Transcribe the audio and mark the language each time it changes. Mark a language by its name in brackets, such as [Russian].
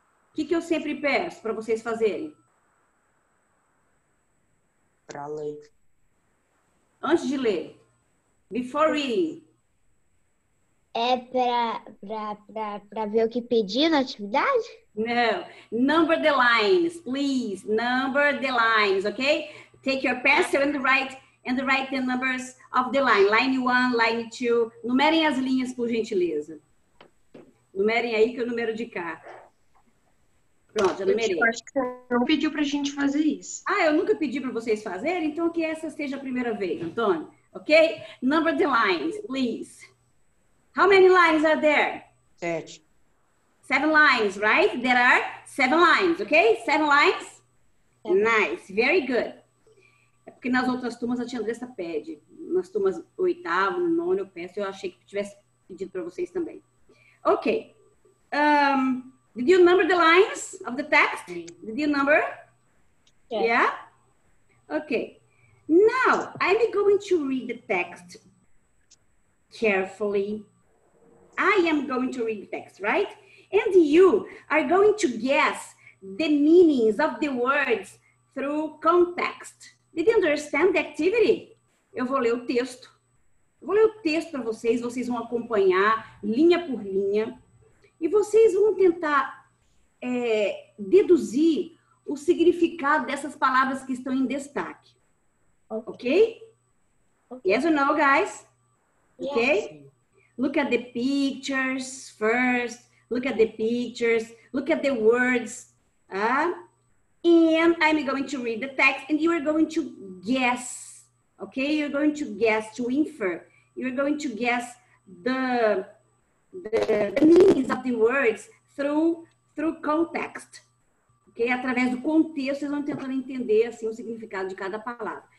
[Portuguese] O que, que eu sempre peço para vocês fazerem? Para ler. Antes de ler. [English] Before reading. [Portuguese] É para ver o que pediu na atividade? [English] Não. Number the lines, please. Number the lines, ok? Take your pencil and write the numbers of the line. Line 1, line 2. [Portuguese] Numerem as linhas, por gentileza. Numerem aí que eu numero de cá. Pronto, eu pediu pra gente fazer isso. Ah, eu nunca pedi para vocês fazerem? Então que essa seja a primeira vez, Antônio. [English] Ok? Number the lines, please. How many lines are there? 7. 7 lines, right? There are 7 lines, ok? 7 lines? Seven. Nice, very good. [Portuguese] É porque nas outras turmas a tia Andressa pede. Nas turmas 8º, 9º, eu peço. Eu achei que tivesse pedido para vocês também. Ok. [English] Did you number the lines of the text? Did you number? Yes. Yeah? Okay. Now, I'm going to read the text carefully. I am going to read the text, right? and you are going to guess the meanings of the words through context. Did you understand the activity? [Portuguese] Eu vou ler o texto. Eu vou ler o texto para vocês, vocês vão acompanhar linha por linha. E vocês vão tentar deduzir o significado dessas palavras que estão em destaque. [English] Okay? Yes or no, guys? Okay? Yes. Look at the pictures first. Look at the pictures. Look at the words. And I'm going to read the text and you are going to guess. Okay? You're going to guess, to infer. You're going to guess the meanings of the words through context. Okay? [Portuguese] Através do contexto, vocês vão tentando entender assim, o significado de cada palavra.